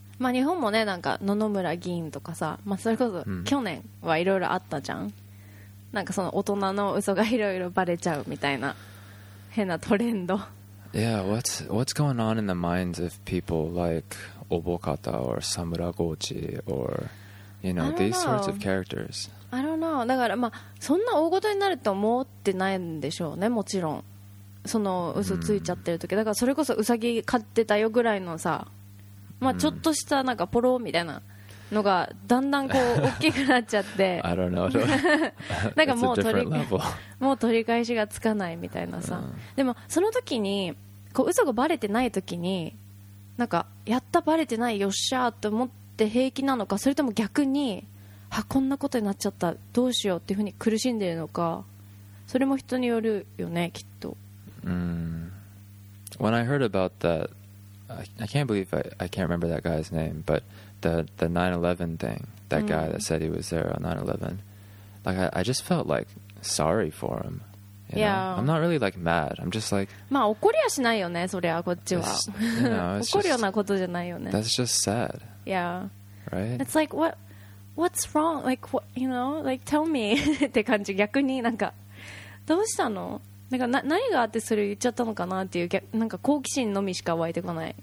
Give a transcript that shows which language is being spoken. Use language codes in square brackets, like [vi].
[ja] まあ日本もね、なんか野々村議員とかさ、まあそれこそ去年はいろいろあったじゃん。なんかその大人の嘘がいろいろバレちゃうみたいな変なトレンド。 [en] Yeah, what's going on in the minds of people like Obokata or Samuragochi or, you know, these sorts of characters? I don't know. [ja] だから、まあ、そんな大ごとになると思ってないんでしょうね、もちろん。その嘘ついちゃってる時。だからそれこそウサギ飼ってたよぐらいのさ、まあちょっとしたなんかポロみたいなのがだんだんこう大きくなっちゃって。 [en] I don't know. [ja] なんかもう取り返し。もう取り返しがつかないみたいなさ、うん、でもその時にこう嘘がバレてない時になんかやったバレてないよっしゃーって思って平気なのか、それとも逆にはこんなことになっちゃったどうしようっていうふうに苦しんでるのか、それも人によるよねきっと。 [en] When I heard about that I can't believe I can't remember that guy's name, but the 9/11 thing, that guy that said he was there on 9/11, like I just felt like sorry for him, you know? Yeah. I'm not really like mad. I'm just like, [ja] まあ怒りはしないよね、そりゃこっちは。 [en] You know, [ja] 怒るようなことじゃないよね。 [en] That's just sad. Yeah. Right? It's like, what, what's wrong? Like, what, you know, like, tell me. [ja] って感じ。逆になんか、どうしたの？なんか、何があってそれ言っちゃったのかなっていう、なんか好奇心のみしか湧いてこない。